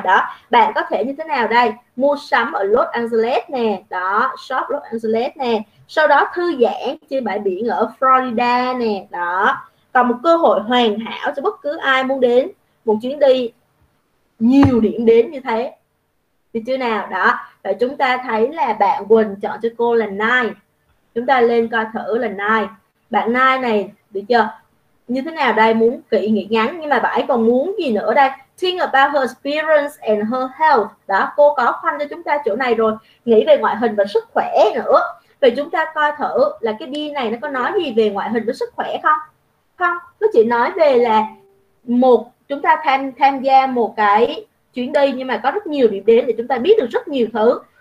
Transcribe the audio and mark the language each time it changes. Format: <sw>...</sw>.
<vi>Đó, bạn có thể như thế nào đây, mua sắm ở Los Angeles nè, đó,</vi> <en>shop Los Angeles</en> <vi>nè, sau đó thư giãn trên bãi biển ở Florida nè, đó, còn một cơ hội hoàn hảo cho bất cứ ai muốn đến một chuyến đi nhiều điểm đến như thế, được chưa nào? Đó, và chúng ta thấy là bạn Quỳnh chọn cho cô là Nine. Chúng ta lên coi thử là Nai. Bạn Nai này được chưa? Như thế nào đây, muốn kỳ nghỉ ngắn nhưng mà bà ấy còn muốn gì nữa đây?</vi> <en>Think about her experience and her health.</en> <vi>Đó, cô có khoanh cho chúng ta chỗ này rồi, nghĩ về ngoại hình và sức khỏe nữa. Vậy chúng ta coi thử là cái đi này nó có nói gì về ngoại hình với sức khỏe không? Không, nó chỉ nói về là một chúng ta tham gia một cái chuyến đi nhưng mà có rất nhiều điểm đến để chúng ta biết được rất nhiều thứ.</vi>